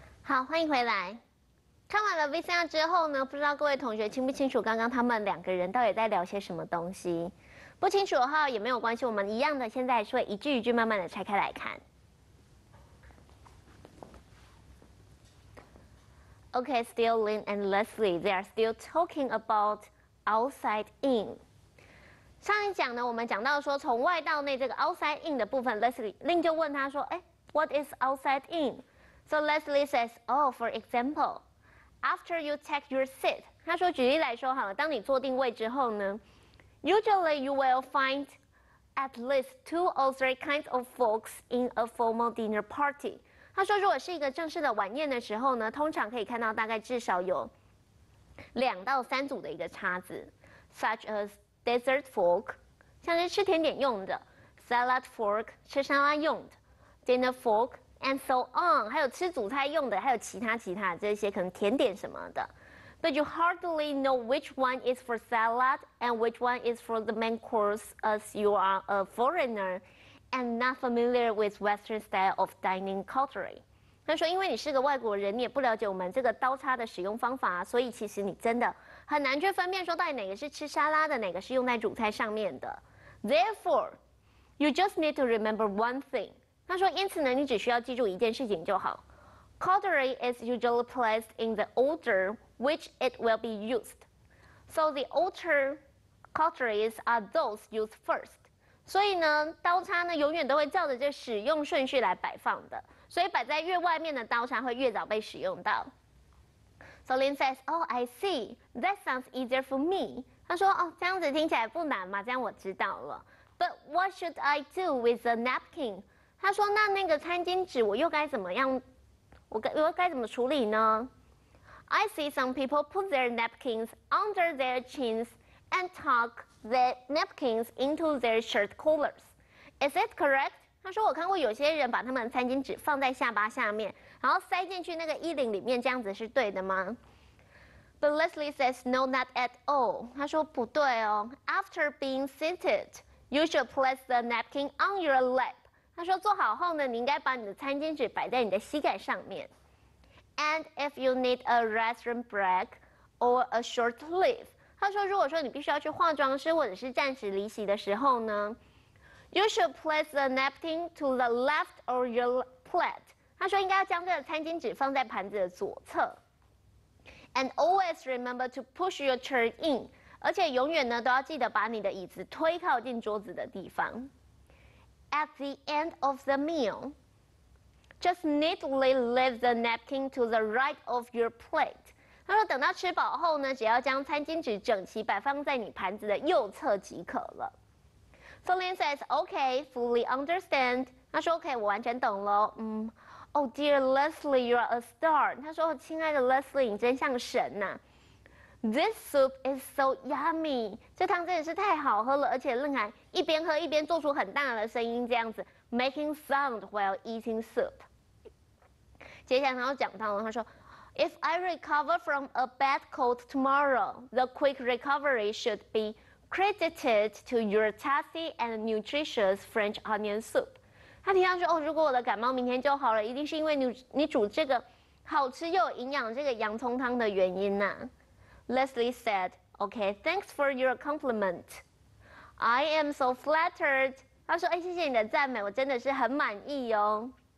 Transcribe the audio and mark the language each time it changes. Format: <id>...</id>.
<zh>Okay, 看完了 VCR 之后呢，不知道各位同学清不清楚刚刚他们两个人到底在聊些什么东西？不清楚的话也没有关系，我们一样的，现在是会一句一句慢慢的拆开来看。</zh> <en>Okay, still Lynn and Leslie, they are still talking about outside in.</en> <zh>上一讲呢，我们讲到说从外到内这个 outside in 的部分 ，Leslie 就问他说，哎 ，</zh> <en>What is outside in? So Leslie says, oh, for example. After you take your seat,</en> <zh>他说举例来说好了，当你坐定位之后呢</zh> <en>，usually you will find at least two or three kinds of forks in a formal dinner party.</en> <zh>他说如果是一个正式的晚宴的时候呢，通常可以看到大概至少有两到三组的一个叉子 ，</zh> <en>such as</en> <zh>dessert fork， 像是吃甜点用的 salad fork， 吃沙拉用的 dinner fork，</zh> <en>and so on，</en> <zh>还有吃主菜用的，还有其他这些可能甜点什么的。</zh> <en>But you hardly know which one is for salad and which one is for the main course, as you are a foreigner and not familiar with Western style of dining culture.</en> <zh>他说，因为你是个外国人，你也不了解我们这个刀叉的使用方法，所以其实你真的很难去分辨说到底哪个是吃沙拉的，哪个是用在主菜上面的。</zh> <en>Therefore, you just need to remember one thing.</en> <zh>他说，因此呢，你只需要记住一件事情就好。</zh> <en>Cutlery is usually placed in the order which it will be used. So the older cutleries are those used first.</en> <zh>所以呢，刀叉呢永远都会照着这使用顺序来摆放的。所以摆在越外面的刀叉会越早被使用到。</zh> <en>So Lin says, "Oh, I see. That sounds easier for me."</en> <zh>他说，哦，这样子听起来不难嘛，这样我知道了。</zh> <en>But what should I do with the napkin?</en> <zh>他说，那个餐巾纸我又该怎么样？我该怎么处理呢？</zh> <en>I see some people put their napkins under their chins and tuck the napkins into their shirt collars. Is it correct?</en> <zh>他说我看过有些人把他们的餐巾纸放在下巴下面，然后塞进去那个衣领里面，这样子是对的吗？</zh> <en>But Leslie says no, not at all.</en> <zh>他说不对哦。</zh> <en>After being seated, you should place the napkin on your lap.</en> <zh>他说做好后呢，你应该把你的餐巾纸摆在你的膝盖上面。</zh> <en>And if you need a restroom break or a short leave，</en> <zh>他说如果说你必须要去化妆室或者是暂时离席的时候呢</zh> <en>，you should place the napkin to the left of your plate。</en> <zh>他说应该要将这个餐巾纸放在盘子的左侧。</zh> <en>And always remember to push your chair in，</en> <zh>而且永远呢都要记得把你的椅子推靠近桌子的地方。</zh> <en>At the end of the meal, just neatly leave the napkin to the right of your plate.</en> <zh>他说等到吃饱后呢，只要将餐巾纸整齐摆放在你盘子的右侧即可了。</zh> <en>So Lin says, okay, fully understand.</en> <zh>他说 okay, 我完全懂了。</zh> <en>Oh dear Leslie, you are a star.</en> <zh>他说亲爱的 Leslie, 你真像神啊。</zh> <en>This soup is so yummy.</en> <zh>这汤真的是太好喝了，而且令还一边喝一边做出很大的声音，这样子</zh> <en>making sound while eating soup.</en> <zh>接下来他又讲到了，他说</zh> <en>，If I recover from a bad cold tomorrow, the quick recovery should be credited to your tasty and nutritious French onion soup.</en> <zh>他提到说，哦，如果我的感冒明天就好了，一定是因为你煮这个好吃又有营养这个洋葱汤的原因呐。</zh> <en>Leslie said, okay, thanks for your compliment. I am so flattered.</en> <zh>他说，哎，谢谢你的赞美，我真的是很满意哦。</zh>